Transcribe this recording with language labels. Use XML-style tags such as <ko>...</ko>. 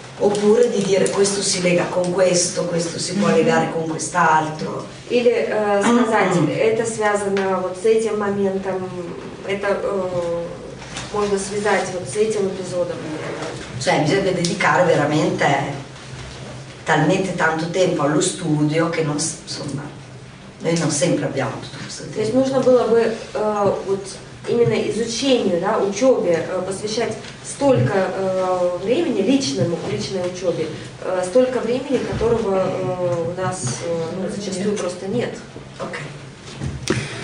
<it>Oppure di dire questo si lega con questo, questo si può legare con quest'altro.</it> <ru>Или сказать, это связано вот с этим моментом, это можно связать вот с этим эпизодом.</ru> <it>Cioè bisogna dedicare veramente talmente tanto tempo allo studio che non, insomma, noi non sempre abbiamo tutto questo tempo.</it> <ru>То есть нужно было бы вот именно изучению, да, учебе посвящать столько времени личному, личной учебе, столько времени, которого у нас ну, зачастую просто нет. Окей.</ru>